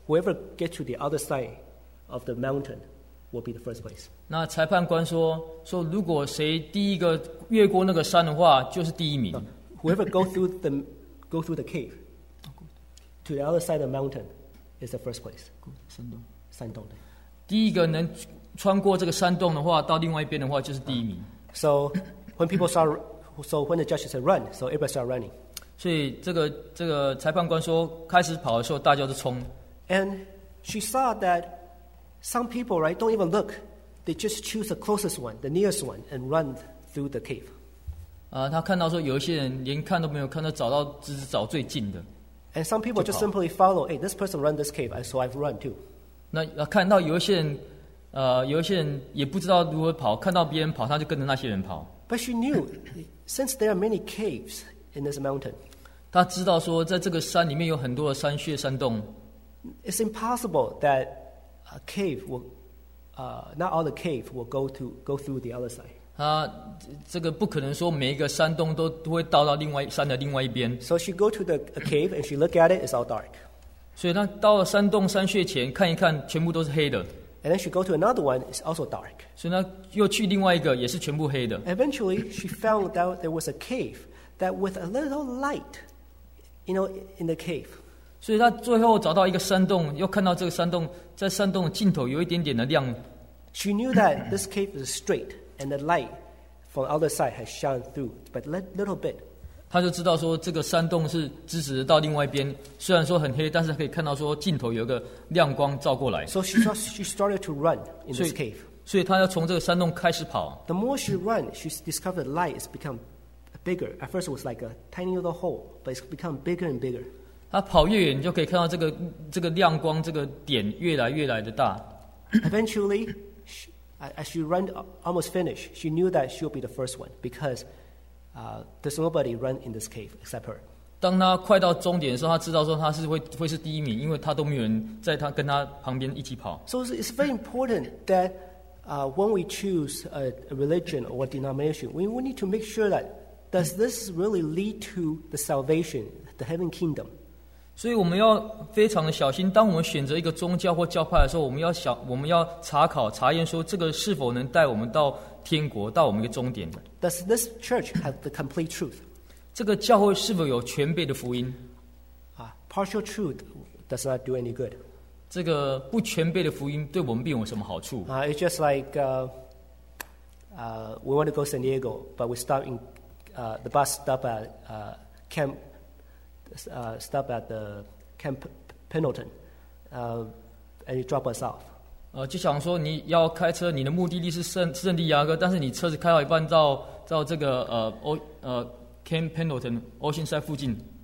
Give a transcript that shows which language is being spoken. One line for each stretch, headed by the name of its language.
English: Whoever get to the other side of the mountain will be the first place.
Chinese: 那裁判官说如果谁第一个越过那个山的话就是第一名。
English: Whoever go through the cave to the other side of the mountain is the first place.
Chinese: 山洞的。第一个能穿过这个山洞的话到另外一边的话就是第一名。
English: So when the judge said run, so everybody started running.
Chinese: 所以这个裁判官说开始跑的时候大家都冲。
English: And she saw that some people, right, don't even look. They just choose the closest one, the nearest one, and run through the cave.
Chinese: 他看到说有一些人连看都没有看到找到只是找最近的。
English: And some people just simply follow, hey, this person run this cave, so I've run too.
Chinese: 那看到有一些人也不知道如何跑，看到别人跑，他就跟着那些人跑。
English: But she knew, since there are many caves in this mountain.
Chinese: 他知道说在这个山里面有很多的山穴、山洞。
English: It's impossible that a cave will, not all the cave will go through the other side.
Chinese: 这个不可能说每一个山洞都会到另外山的另外一边。
English: So she go to the cave and she look at it. It's all dark.
Chinese: 所以她到了山洞山穴前看一看，全部都是黑的。
English: And then she go to another one. It's also dark.
Chinese: 所以她又去另外一个，也是全部黑的。
English: Eventually, she found out there was a cave that with a little light, you know, in the cave.
Chinese: 所以她最后找到一个山洞，又看到这个山洞在山洞的尽头有一点点的亮。
English: She knew that this cave is straight. And the light from the other side has shone through, but a little bit.
Chinese: 他就知道说这个山洞是直直到另外一边，虽然说很黑，但是可以看到说尽头有一个亮光照过来。
English: So she started to run in this cave.
Chinese: 所以他要从这个山洞开始跑。
English: The more she run, she discovered the light has become bigger. At first it was like a tiny little hole, but it's become bigger and bigger.
Chinese: 他跑越远，你就可以看到这个亮光这个点越来的大。
English: Eventually. As she ran almost finished, she knew that she would be the first one because there's nobody run in this cave except her.
Chinese: 当她快到终点的时候，她知道说她是会是第一名，因为她都没有人在她跟她旁边一起跑。
English: So it's very important that when we choose a religion or a denomination, we need to make sure that does this really lead to the salvation, the heaven kingdom.
Chinese: 所以我们要非常的小心，当我们选择一个宗教或教派的时候，我们要查考查验说这个是否能带我们到天国，到我们一个终点。
English: Does this church have the complete truth?
Chinese: 这个教会是否有全备的福音？
English: Partial truth does not do any good.
Chinese: 这个不全备的福音对我们并没有什么好处。
English: It's just like we want to go to San Diego, but we stop in the bus stop at Camp. Stop at the Camp Pendleton, and you drop us off.
Chinese: 就想说你要开车，你的目的地是圣地亚哥，但是你车子开到一半到这个Camp Pendleton Oceanside 附近。